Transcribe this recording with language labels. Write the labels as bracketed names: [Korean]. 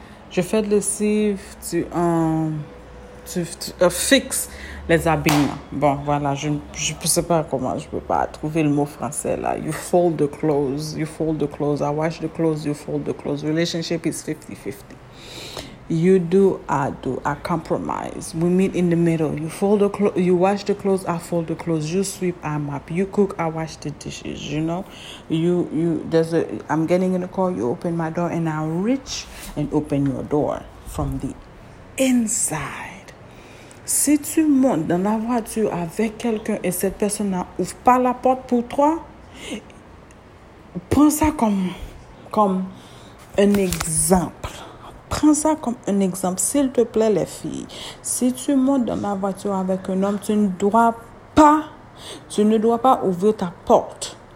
[French] Je fais de lessive, tu fixes les habillements. Bon, voilà, je ne sais pas comment, je ne peux pas trouver le mot français là. [English] You fold the clothes, I wash the clothes, you fold the clothes. Relationship is 50-50. You do, I compromise. We meet in the middle. You fold the clothes, you wash the clothes, I fold the clothes. You sweep, I mop. You cook, I wash the dishes, you know? I'm getting in a car, you open my door, and I reach and open your door from the inside. [French] Si tu montes dans la voiture avec quelqu'un et cette personne n'ouvre pas la porte pour toi, prends ça comme un exemple. Prends ça comme un exemple, s'il te plaît, les filles. Si tu montes dans la voiture avec un homme, tu ne dois pas ouvrir ta porte.